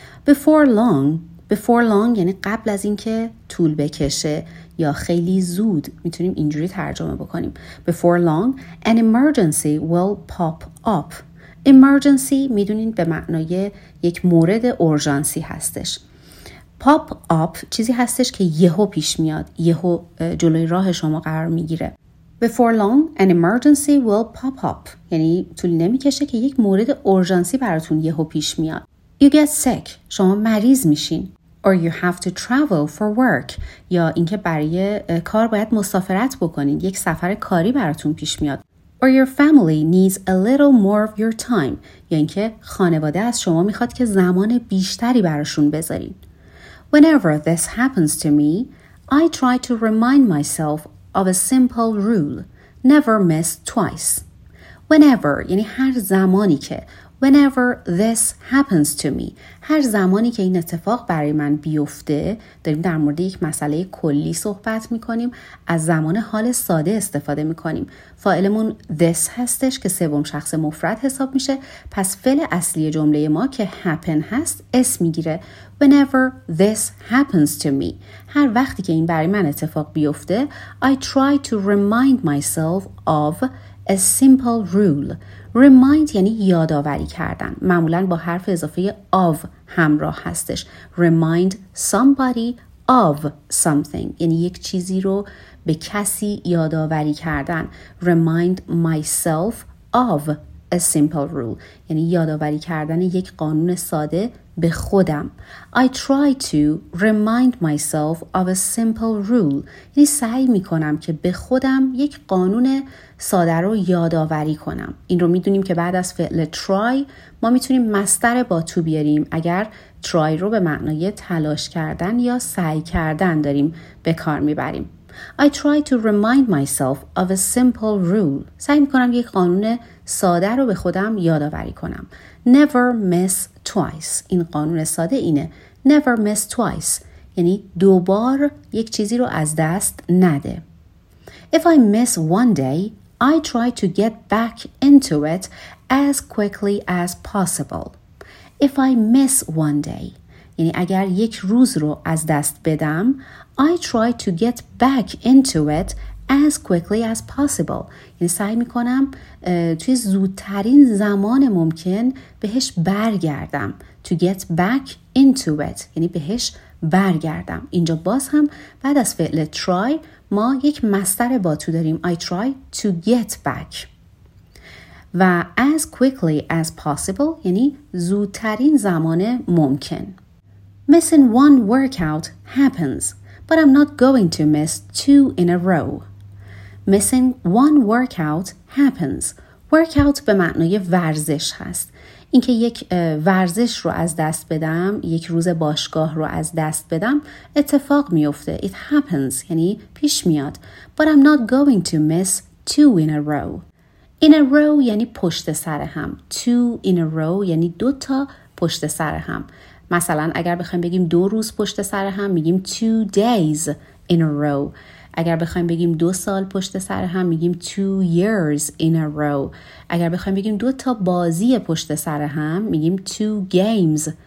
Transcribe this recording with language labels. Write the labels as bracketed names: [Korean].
[English] Before long [Persian] یعنی قبل از اینکه طول بکشه یا خیلی زود، میتونیم اینجوری ترجمه بکنیم. [English] Before long an emergency will pop up. [Persian] Emergency میدونین به معنای یک مورد اورژانسی هستش. Pop up چیزی هستش که یهو پیش میاد، یهو جلوی راه شما قرار میگیره. [English] Before long an emergency will pop up [Persian] یعنی طولی نمیکشه که یک مورد اورژانسی براتون یهو پیش میاد. [English] You get sick [Persian] شما مریض میشین. [English] Or you have to travel for work. [Persian] یا اینکه برای کار باید مسافرت بکنید. یک سفر کاری براتون پیش میاد. [English] Or your family needs a little more of your time. [Persian] یا اینکه خانواده از شما میخواد که زمان بیشتری براشون بذارید. [English] Whenever this happens to me, I try to remind myself of a simple rule. Never miss twice. [Persian] Whenever یعنی هر زمانی که. [English] Whenever this happens to me. [Persian] هر زمانی که این اتفاق برای من بیفته، داریم در مورد یک مسئله کلی صحبت میکنیم، از زمان حال ساده استفاده میکنیم. فاعلمون this هستش که سوم شخص مفرد حساب میشه، پس فعل اصلی جمله ما که happen هست اسم میگیره. [English] Whenever this happens to me. [Persian] هر وقتی که این برای من اتفاق بیفته، [English] I try to remind myself of a simple rule. [Persian] Remind یعنی یادآوری کردن، معمولاً با حرف اضافه of همراه هستش. [English] Remind somebody of something [Persian] یعنی یک چیزی رو به کسی یادآوری کردن. [English] Remind myself of a simple rule [Persian] یعنی یادآوری کردن یک قانون ساده به خودم. [English] I try to remind myself of a simple rule [Persian] یعنی سعی میکنم که به خودم یک قانون ساده رو یادآوری کنم. این رو میدونیم که بعد از فعل try ما میتونیم مصدر با to بیاریم اگر try رو به معنای تلاش کردن یا سعی کردن داریم به کار میبریم. [English] I try to remind myself of a simple rule. [Persian] سعی میکنم یک قانون ساده رو به خودم یادآوری کنم. [English] Never miss twice. [Persian] این قانون ساده اینه. [English] Never miss twice. [Persian] یعنی دوبار یک چیزی رو از دست نده. [English] If I miss one day, I try to get back into it as quickly as possible. If I miss one day. [Persian] یعنی اگر یک روز رو از دست بدم، [English] I try to get back into it as quickly as possible. [Persian] یعنی سعی میکنم توی زودترین زمان ممکن بهش برگردم. [English] To get back into it. [Persian] یعنی بهش برگردم. اینجا باز هم بعد از فعل try ما یک مصدر با تو داریم. [English] I try to get back. [Persian] و [English] as quickly as possible [Persian] یعنی زودترین زمان ممکن. [English] Missing one workout happens, but I'm not going to miss two in a row. Missing one workout happens. [Persian] Workout به معنای ورزش هست. اینکه یک ورزش رو از دست بدم، یک روز باشگاه رو از دست بدم، اتفاق میفته. [English] It happens [Persian] یعنی پیش میاد. [English] But I'm not going to miss two in a row. In a row [Persian] یعنی پشت سر هم. [English] Two in a row [Persian] یعنی دو تا پشت سر هم. مثلا اگر بخوایم بگیم دو روز پشت سر هم میگیم [English] two days in a row. [Persian] اگر بخوایم بگیم دو سال پشت سر هم میگیم [English] two years in a row. [Persian] اگر بخوایم بگیم دو تا بازی پشت سر هم میگیم [English] two games